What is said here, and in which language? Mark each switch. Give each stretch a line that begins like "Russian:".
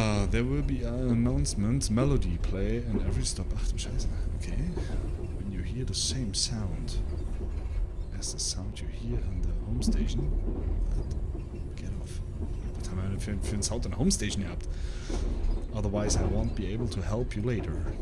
English: There will be an announcement melody play in every stop.
German: Ach du Scheiße.
English: Okay. When you hear the same sound as the sound you hear in the home station. Get off.
German: Was haben wir denn für einen Sound in der home station gehabt?
English: Otherwise I won't be able to help you later.